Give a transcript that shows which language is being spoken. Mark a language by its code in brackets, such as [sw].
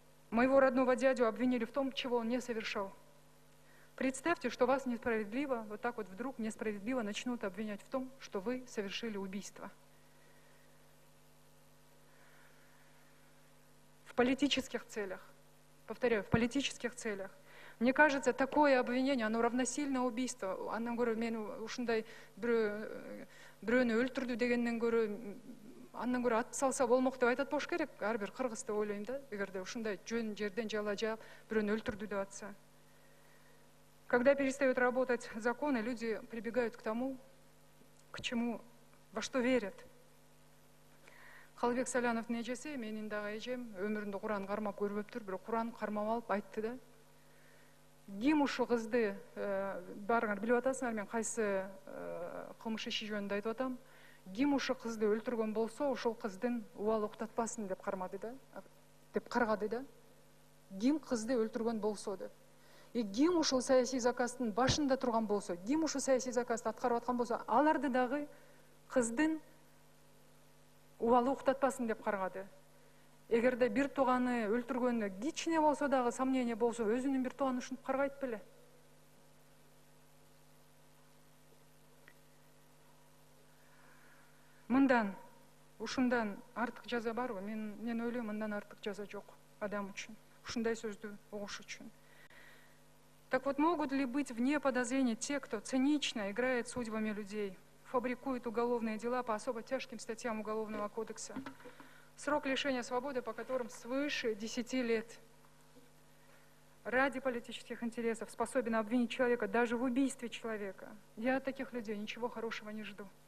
[ru] Моего родного дядю обвинили в том, чего он не совершал. Представьте, что вас несправедливо, вот так вот вдруг несправедливо начнут обвинять в том, что вы совершили убийство. В политических целях. Повторяю, в политических целях. Мне кажется, такое обвинение, оно равносильно убийству. [ky] Она говорит, мен ушундай бирөөнү өлтүрдү дегенден көрө, анан көрө атсалса болмок деп айтат болуш керек, ар бир кыргызды ойлойм да, эгерде ушундай жөн жерден жала жаап бирөөнү өлтүрдү деп атса. [ru] Когда перестают работать законы, люди прибегают к тому, к чему, во что верят. [ky] Халбек Саляновтун эжеси, менин дагы эжем, өмүрүндө Куран кармап көрбөптүр, бирок Куран кармап алып айтты да. Ким ушул кызды, баарыңар билип атасыңар, мен кайсы кылмыш иши жөнүндө айтып атам. Ким ушул кызды өлтүргөн болсо, ушул кыздын убалы уктатпасын деп кармады да, деп каргады да. Ким кызды өлтүргөн болсо деп. И ким ушул саясий заказдын башында турган болсо, ким ушул саясий заказды аткарып аткан болсо, аларды дагы кыздын убалы уктатпасын деп каргады. Эгерде бир тууганы өлтүргөнү кичине болсо дагы сомнение болсо, өзүнүн бир тууганы ушинтип каргайт беле. Мындан, ушундан артык жаза барбы? Мен ойлойм, мындан артык жаза жок адам үчүн. Ушундай сөздү угуш үчүн. [ru] Так вот, могут ли быть вне подозрения те, кто цинично играет судьбами людей? Фабрикует уголовные дела по особо тяжким статьям Уголовного кодекса. Срок лишения свободы, по которым свыше 10 лет. Ради политических интересов способен обвинить человека даже в убийстве человека. Я от таких людей ничего хорошего не жду.